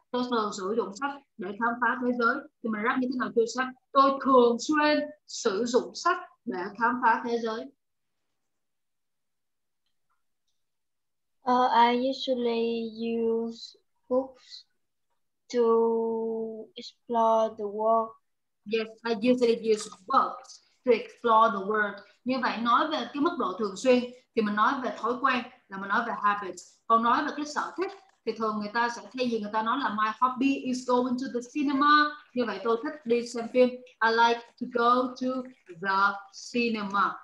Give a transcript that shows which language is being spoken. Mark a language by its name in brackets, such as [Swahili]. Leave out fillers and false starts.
[Vietnamese] Tôi thường sử dụng sách để khám phá thế giới. Thì mình rap như thế nào chưa sách? Tôi thường xuyên sử dụng sách để khám phá thế giới. [English] I usually use books to explore the world. Yes, I usually use books to explore the world. [Vietnamese] Như vậy nói về cái mức độ thường xuyên thì mình nói về thói quen, là mình nói về habits. Còn nói về cái sở thích thì thường người ta sẽ thay vì người ta nói là [English] my hobby is going to the cinema. [Vietnamese] Như vậy tôi thích đi xem phim. [English] I like to go to the cinema.